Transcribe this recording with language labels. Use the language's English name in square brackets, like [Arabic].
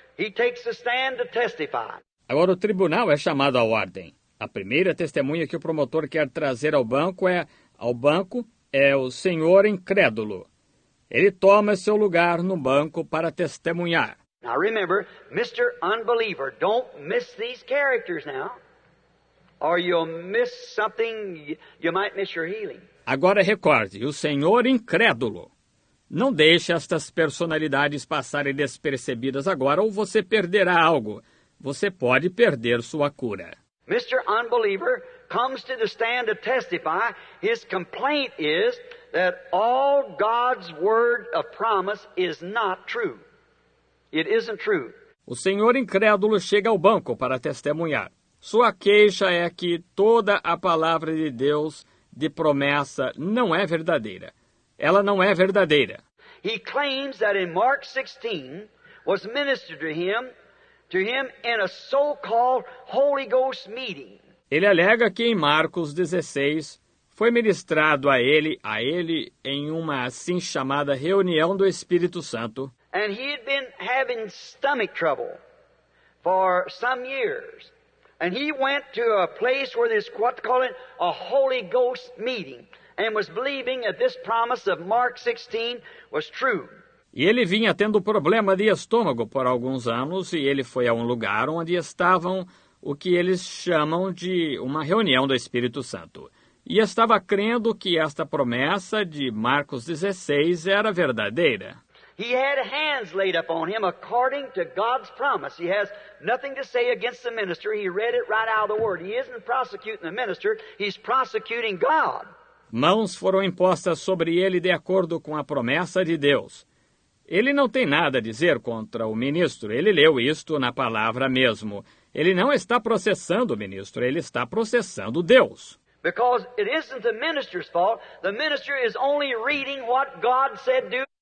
[English] He takes the stand to testify. [Portuguese] Agora o tribunal é chamado à ordem. A primeira testemunha que o promotor quer trazer ao banco é o senhor incrédulo. Ele toma seu lugar no banco para testemunhar. [English] Now remember, Mr. Unbeliever, don't miss these characters now, or you'll miss something. You might miss your healing. [Portuguese] Agora recorde, o senhor incrédulo. Não deixe estas personalidades passarem despercebidas agora ou você perderá algo. Você pode perder sua cura. [English] Mr. Unbeliever comes to the stand to testify. His complaint is that all God's word of promise is not true. It isn't true. [Portuguese] O senhor incrédulo chega ao banco para testemunhar. Sua queixa é que toda a palavra de Deus de promessa não é verdadeira. Ela não é verdadeira. [English] He claims that in Mark 16 was ministered to him in a so-called Holy Ghost meeting. [Portuguese] Ele alega que em Marcos 16 foi ministrado a ele em uma assim chamada reunião do Espírito Santo. [English] And he had been having stomach trouble for some years. And he went to a place where there's what they call it a Holy Ghost meeting and was believing that this promise of Mark 16 was true. [Portuguese] E ele vinha tendo problema de estômago por alguns anos e ele foi a um lugar onde estavam o que eles chamam de uma reunião do Espírito Santo. E estava crendo que esta promessa de Marcos 16 era verdadeira. [English] He had hands laid upon him according to God's promise. He has nothing to say against the minister. He read it right out of the word. He isn't prosecuting the minister. He's prosecuting God. [Portuguese] Mãos foram impostas sobre ele de acordo com a promessa de Deus. Ele não tem nada a dizer contra o ministro. Ele leu isto na palavra mesmo. Ele não está processando o ministro. Ele está processando Deus. [English] Because it isn't the minister's fault. The minister is only reading what God said to.